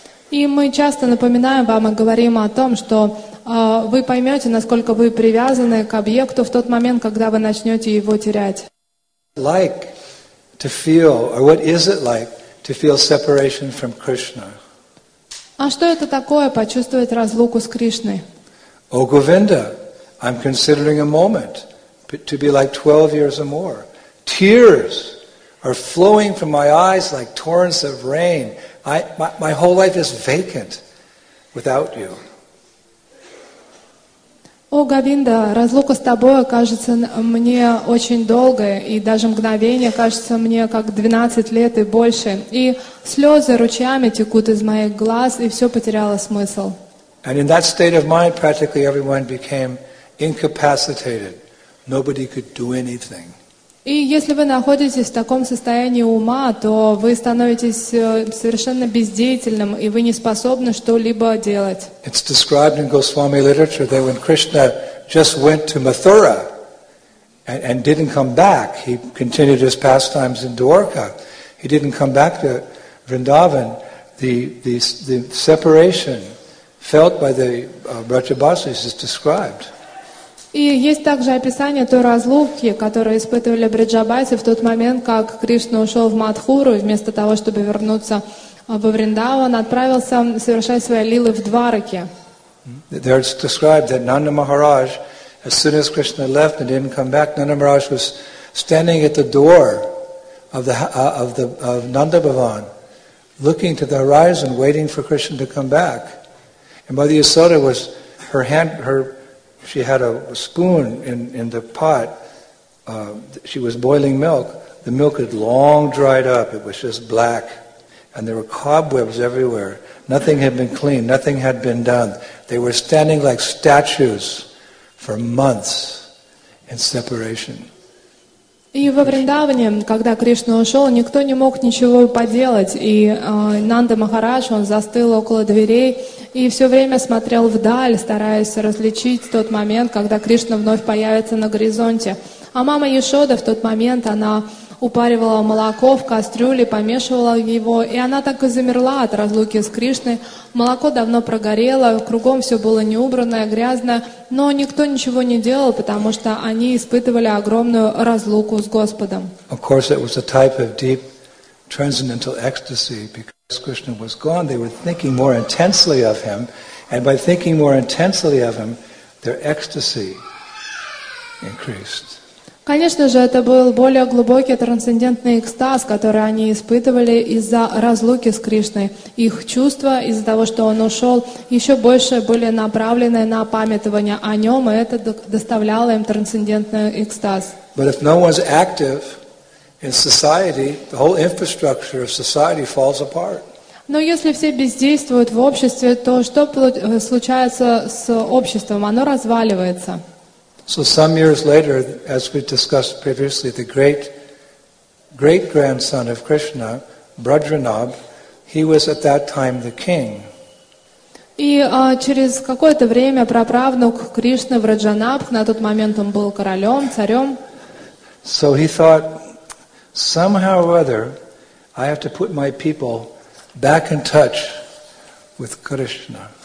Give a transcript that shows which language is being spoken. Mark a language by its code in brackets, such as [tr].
[ru] И мы часто напоминаем вам и говорим о том, что вы поймете, насколько вы привязаны к объекту в тот момент, когда вы начнете его терять. [en] Like to feel, or what is it like to feel separation from Krishna? [ru] А что это такое почувствовать разлуку с Кришной? [en] О, Govinda, I'm considering a moment to be like 12 years or more. Tears are flowing from my eyes like torrents of rain. My whole life is vacant without you. [ru] О, Говинда, разлука с тобой кажется мне очень долгой, и даже мгновение кажется мне как 12 лет и больше. И слезы ручьями текут из моих глаз, и все потеряло смысл. [en] And in that state of mind, practically everyone became incapacitated. Nobody could do anything. [ru] И если вы находитесь в таком состоянии ума, то вы становитесь совершенно бездеятельным, и вы не способны что-либо делать. [en] It's described in Goswami literature that when Krishna just went to Mathura and didn't come back, he continued his pastimes in Dwarka. He didn't come back to Vrindavan. The separation felt by the Vrajabhasis is described. [ru] И есть также описание той разлуки, которую испытывали Бриджабаси в тот момент, как Кришна ушел в Матхуру, и вместо того, чтобы вернуться во Вриндаван, отправился совершать свои лилы в Двараке. [en] There it's described that Nanda Maharaj, as soon as Krishna left and didn't come back, Nanda Maharaj was standing at the door of Nanda Bhavan, looking to the horizon, waiting for Krishna to come back. And Mother Yasoda was her hand, her she had a spoon in the pot. She was boiling milk. The milk had long dried up. It was just black. And there were cobwebs everywhere. Nothing had been cleaned. Nothing had been done. They were standing like statues for months in separation. [ru] И во Вриндаване, когда Кришна ушел, никто не мог ничего поделать. И Нанда Махарадж, он застыл около дверей и все время смотрел вдаль, стараясь различить тот момент, когда Кришна вновь появится на горизонте. А мама Яшода в тот момент, она упаривала молоко в кастрюле, помешивала его, и она так и замерла от разлуки с Кришной. Молоко давно прогорело, кругом все было неубранное, грязное, но никто ничего не делал, потому что они испытывали огромную разлуку с Господом. [en] Of course, it was a type of deep transcendental ecstasy. Because Krishna was gone, they were thinking more intensely of him, and by thinking more intensely of him, their ecstasy increased. [ru] Конечно же, это был более глубокий трансцендентный экстаз, который они испытывали из-за разлуки с Кришной. Их чувства из-за того, что он ушел, еще больше были направлены на памятование о нем, и это доставляло им трансцендентный экстаз. [en] But if no one's active in society, the whole infrastructure of society falls apart. [ru] Но если все бездействуют в обществе, то что случается с обществом? Оно разваливается. [en] So some years later, as we discussed previously, the great-great-grandson of Krishna, Brajranab, he was at that time the king. [ru] И через какое-то время праправнук Кришны, Враджанаб, на тот момент он был королем, царем. [en] So he thought, somehow or other, I have to put my people back in touch with Krishna.